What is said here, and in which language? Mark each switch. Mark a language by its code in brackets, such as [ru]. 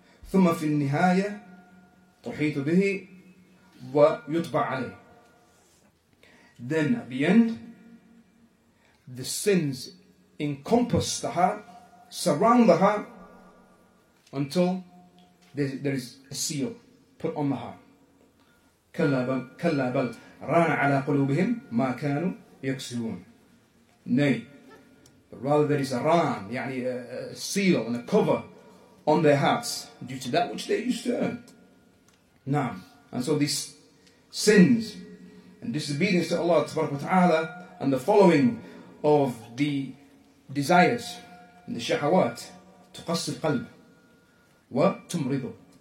[ar] ثُمَّ فِي النِّهَايَةِ تُحِيطُ بِهِ وَيُطْبَعْ عَلَيْهِ. [en] Then at the end, the sins encompass the heart, surround the heart, until there is a seal put on the heart. [ar] كلا بل ران على قلوبهم ما كانوا يكسبون. [en] Nay, but rather there is a ran, يعني a seal and a cover on their hearts due to that which they used to earn. Nah. And so these sins and disobedience to Allah subhanahu wa ta'ala and the following of the desires and the shahawat, [ar] تقصي القلب وتمرضه.